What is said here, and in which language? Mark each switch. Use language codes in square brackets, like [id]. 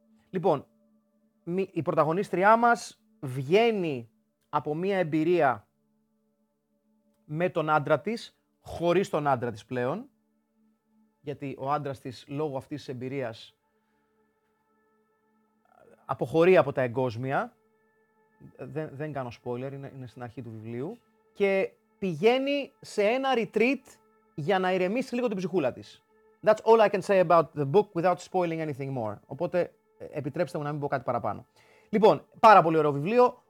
[el] Λοιπόν, η πρωταγωνίστριά μας βγαίνει από μία εμπειρία με τον άντρα της, χωρίς τον άντρα της πλέον, γιατί ο άντρας της, λόγω αυτής της εμπειρίας, αποχωρεί από τα εγκόσμια. Δεν κάνω spoiler, είναι στην αρχή του βιβλίου. Και πηγαίνει σε ένα retreat για να ηρεμήσει λίγο την ψυχούλα της. [en] That's all I can say about the book without spoiling anything more. [el] Οπότε, επιτρέψτε μου να μην πω κάτι παραπάνω. Λοιπόν, πάρα πολύ ωραίο βιβλίο.